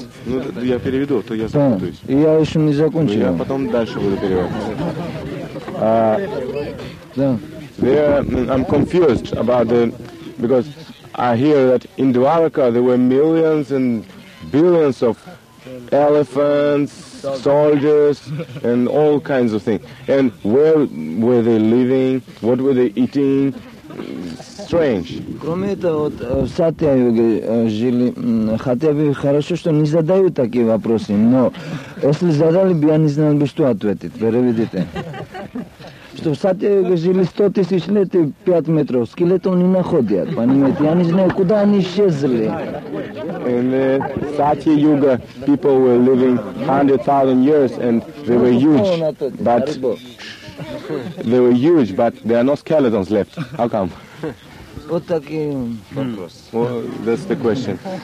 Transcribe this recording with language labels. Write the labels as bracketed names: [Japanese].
[Russian] Ну, я переведу, то я запутаюсь. И я еще не закончил. Я потом дальше буду переводить. [English] I'm confused about the, because I hear that in Dwarka there were millions and billions of elephants, soldiers, and all kinds of things. And where were they living? What were they eating? Strange. [Russian] Кроме этого, в Сатьяюге жили, хотя бы хорошо, что не задают такие вопросы, но если задали бы, я не знал бы, что ответить. Переведите. Что в Сатьяюге жили 100 тысяч лет и 5 метров, скелетов не находят, понимаете? Я не знаю, куда они исчезли. [English] In Сатьяюге people were living 100,000 years and they were huge, but they were huge, but there are no skeletons left. How come? [Russian] Вот такие вопросы. [English] Well, that's the question.